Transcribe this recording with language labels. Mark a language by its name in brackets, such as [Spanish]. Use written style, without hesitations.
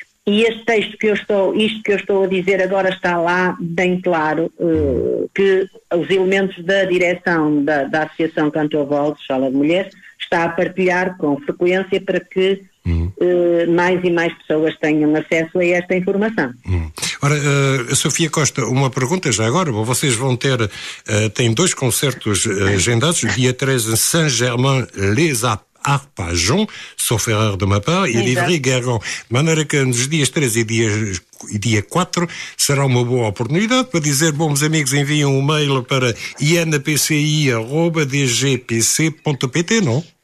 [Portuguese] E este texto que isto que eu estou a dizer agora está lá bem claro, que os elementos da direção da Associação Canto Avós, Sala de Mulheres, está a partilhar com frequência para que mais e mais pessoas tenham acesso a esta informação. Ora, Sofia Costa, uma pergunta já agora. Bom, vocês vão ter, têm dois concertos agendados, dia 13 em Saint-Germain-les-Apes. [French] Arpajon, sauf erreur de ma part, et Livry Guergon. [Portuguese] De maneira que nos dias 13 e dia 4 será uma boa oportunidade para dizer, bom, meus amigos, enviem um e-mail para inpci@dgpc.pt, não?